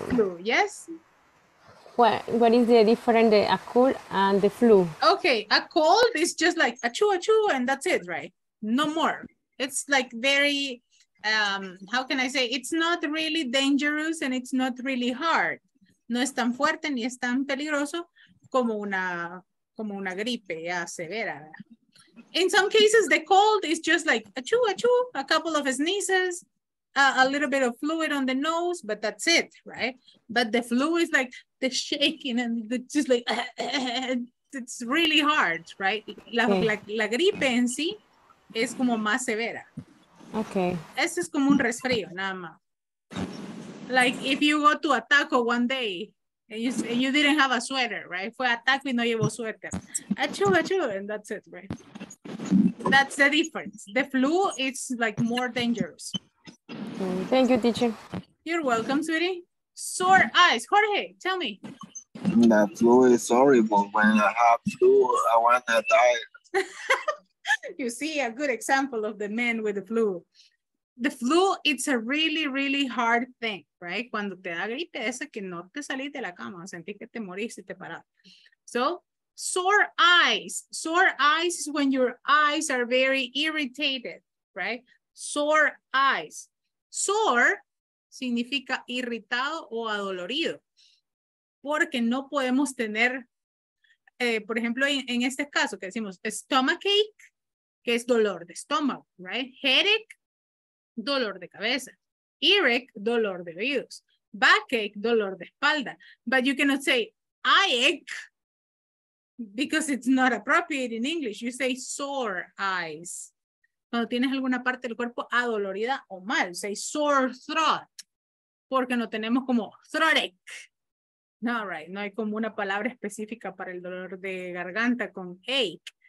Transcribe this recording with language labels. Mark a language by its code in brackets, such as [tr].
[en] the flu, yes? What is the difference between a cold and the flu? Okay, a cold is just like achoo, and that's it, right? No more. It's like very, how can I say? It's not really dangerous and it's not really hard. [es] No es tan fuerte ni es tan peligroso como una gripe ya severa. [en] In some cases, the cold is just like achoo, a couple of sneezes, a little bit of fluid on the nose, but that's it, right? But the flu is like the shaking and the just like, it's really hard, right? [es] La gripe en sí es como más severa. [en] Okay. [es] Eso es como un resfrío, nada más. [en] Like if you go to a taco one day, and you didn't have a sweater, right? [es] Fue a taco y no llevo suéter. [en] Achoo, and that's it, right? That's the difference. The flu is like more dangerous. Thank you, teacher. You're welcome, sweetie. Sore eyes. Jorge, tell me. The flu is horrible. When I have flu, I want to die. You see a good example of the man with the flu. The flu, it's a really, really hard thing, right? [es] Cuando te da gripe, esa que no te salís de la cama, sentís que te morís y te parás. [en] So, sore eyes. Sore eyes is when your eyes are very irritated, right? Sore eyes. [es] Sore significa irritado o adolorido. Porque no podemos tener, por ejemplo, en este caso que decimos stomachache, que es dolor de estómago, right? Headache, dolor de cabeza. Earache, dolor de oídos. Backache, dolor de espalda. [en] But you cannot say eyeache, because it's not appropriate in English. You say sore eyes. [es] Cuando tienes alguna parte del cuerpo adolorida o mal. [en] Say sore throat. [es] Porque no tenemos como throatache. No, right. No hay como una palabra específica para el dolor de garganta con ache.